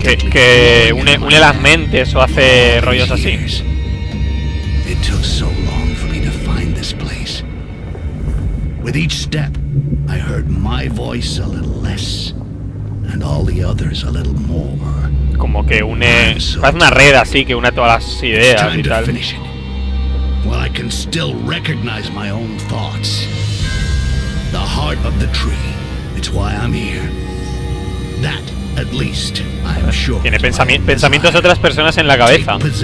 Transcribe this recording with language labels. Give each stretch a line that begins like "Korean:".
Spanish: Que une las mentes o hace rollos así.
English: It took so long for me to find this place. With each step, I heard my voice a little less, and all the others a little more.
Spanish: Como que une, hace una red así que une todas las ideas y tal.
English: While I can still recognize my own thoughts, the heart of the tree, it's why I'm here. That, at least, I'm sure.
Spanish: Tiene pensamientos de otras personas en la cabeza.